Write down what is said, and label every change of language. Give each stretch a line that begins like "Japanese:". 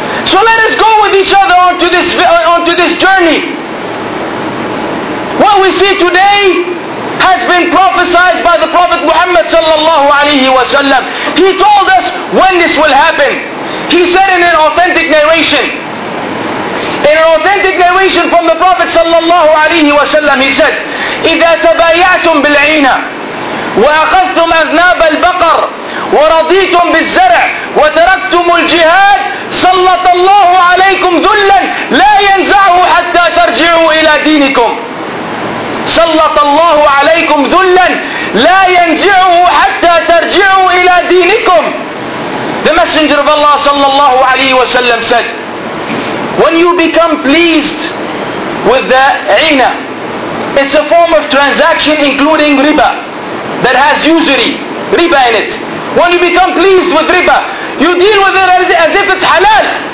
English: So let us go with each other onto this journey. What we see today has been prophesied by the Prophet Muhammad sallallahu alaihi wasallam. He told us when this will happen. He said in an authentic narration. In an authentic narration from the Prophet sallallahu alaihi wasallam, he said,
Arabic: "إِذَا تَبَايَعْتُمْ بِالْعِينَ وَأَخَذْتُمْ أَذْنَابَ الْبَقَرِ وَرَضِيتُمْ بِالزَّرْعِ وَتَرَكْتُمُ الْجِهَادَ سلط الله عليكم ذلا لا ينزعه حتى ترجعوا إلى دينكم." سلط الله عليكم ذلا لا ينزعه حتى ترجعوا إلى
English: The Messenger of Allah sallallahu alayhi wa sallam said, when you become pleased with the ina, it's a form of transaction including riba, that has usury, riba in it. When you become pleased with riba, you deal with it as if it's halal.